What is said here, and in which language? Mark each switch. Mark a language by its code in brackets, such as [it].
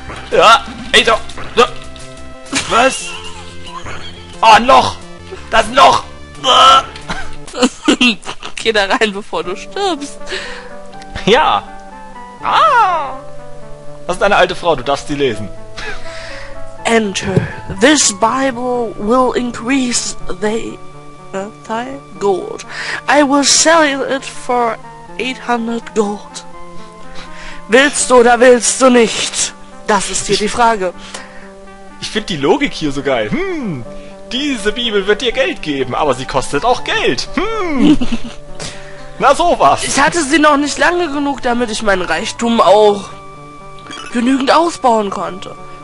[de] Ja, ey, doch. Was? Oh, ein Loch! Das ist ein Loch! Geh da rein, bevor du stirbst. Ja. Ah. Das ist eine alte Frau, du darfst sie lesen. [en] Enter. This Bible will increase thy gold. I will sell it for 800 gold. [de] Willst du oder willst du nicht? Das ist hier die Frage. Ich finde die Logik hier so geil. Hm, diese Bibel wird dir Geld geben, aber sie kostet auch Geld. Hm. Na sowas. Ich hatte sie noch nicht lange genug, damit ich meinen Reichtum auch genügend ausbauen konnte.